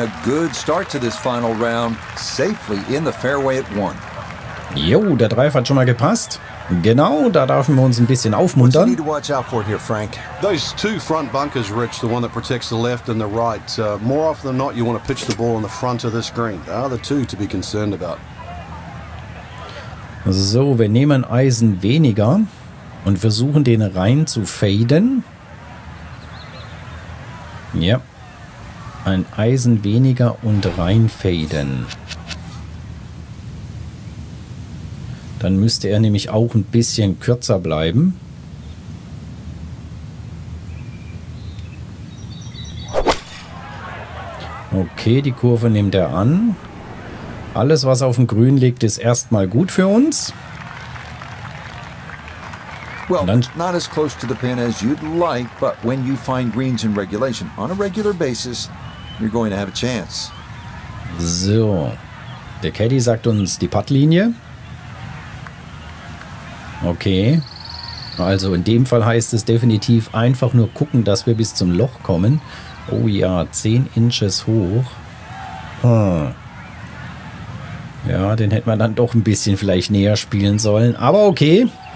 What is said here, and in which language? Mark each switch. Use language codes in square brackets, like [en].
[en] A good start to this final round, safely in the fairway at one. [de] Jo, der Drive hat schon mal gepasst. Genau, da dürfen wir uns ein bisschen aufmuntern. [en] What do you need to watch out for here, Frank? Those two front bunkers, Rich, the one that protects the left and the right. More often than not, you want to pitch the ball in the front of this green. They are the two to be concerned about. [de] So, wir nehmen Eisen weniger und versuchen, den rein zu faden. Ja. Yep. Ein Eisen weniger und reinfaden. Dann müsste er nämlich auch ein bisschen kürzer bleiben. Okay, die Kurve nimmt er an. Alles, was auf dem Grün liegt, ist erstmal gut für uns. [en] Well, not as close to the pin as you'd like, but when you find greens in regulation on a regular basis, you're going to have a chance. [de] So, der Caddy sagt uns die Puttlinie. Okay, also in dem Fall heißt es definitiv einfach nur gucken, dass wir bis zum Loch kommen. Oh ja, 10 Inches hoch. Ja, den hätten wir dann doch ein bisschen vielleicht näher spielen sollen, aber okay.